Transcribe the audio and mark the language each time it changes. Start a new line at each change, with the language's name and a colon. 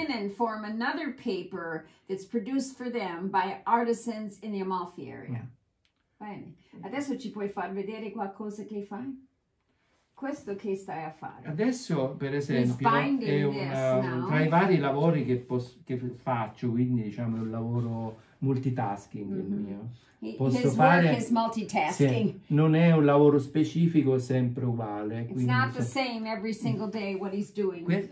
English: Cotton and linen form another paper that's produced for them by artisans in the Amalfi area. Yeah.
Italian: Bene, adesso ci puoi far vedere qualcosa che fai? Questo che stai a fare? Adesso, per esempio, è tra i vari lavori che faccio, quindi diciamo è un lavoro multitasking il mio. Posso
English: his
Italian: fare,
English: work is multitasking.
Italian: Se, non è un lavoro specifico, è sempre uguale.
English: It's not the same every single day what he's doing.